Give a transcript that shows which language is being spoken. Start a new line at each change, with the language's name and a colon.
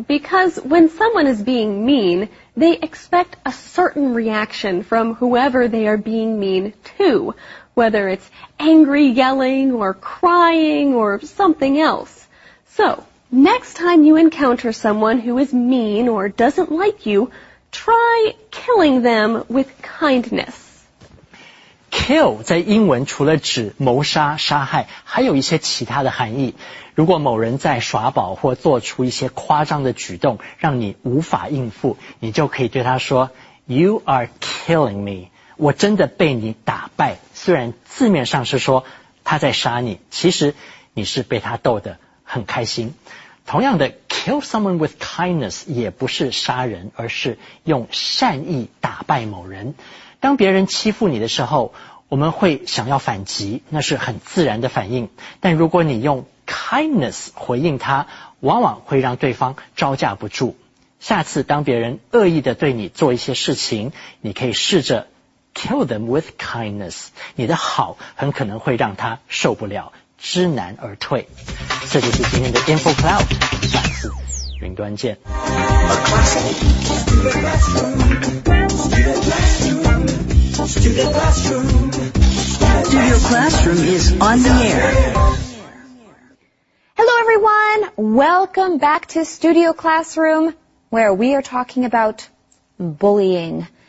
English: Because when someone is being mean, they expect a certain reaction from whoever they are being mean to, whether it's angry yelling or crying or something else. So, next time you encounter someone who is mean or doesn't like you, try killing them with kindness.
Chinese: Kill 在英文除了指谋杀、杀害，还有一些其他的含义。如果某人在耍宝或做出一些夸张的举动，让你无法应付，你就可以对他说 ：
English: “You are killing me。”
Chinese: 我真的被你打败。虽然字面上是说他在杀你，其实你是被他逗得很开心。同样的 ，
English: kill someone with kindness
Chinese: 也不是杀人，而是用善意打败某人。当别人欺负你的时候，我们会想要反击，那是很自然的反应。但如果你用 kindness 回应他，往往会让对方招架不住。下次当别人恶意的对你做一些事情，你可以试着
English: kill them with kindness，
Chinese: 你的好很可能会让他受不了，知难而退。这就是今天的 Info Cloud， 下次云端见。
English: Studio Classroom is on the air. Hello, everyone. Welcome back to Studio Classroom, where we are talking about bullying.